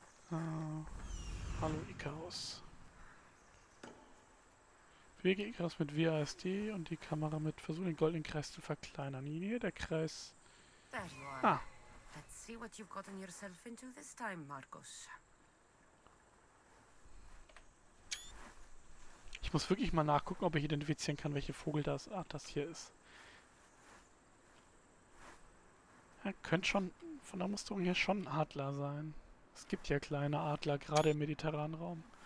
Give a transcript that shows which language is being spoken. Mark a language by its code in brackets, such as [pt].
[de] Hallo Icarus. Bewege Icarus mit WASD und die Kamera mit. Versuche den goldenen Kreis zu verkleinern. Hier der Kreis. Ah. [en] Let's see what you've gotten yourself into this time, Marcus. [de] Ich muss wirklich mal nachgucken, ob ich identifizieren kann, welche Vogel das, ah, das hier ist. Ja, könnte schon, von der Musterung her schon ein Adler sein. Es gibt ja kleine Adler, gerade im mediterranen Raum.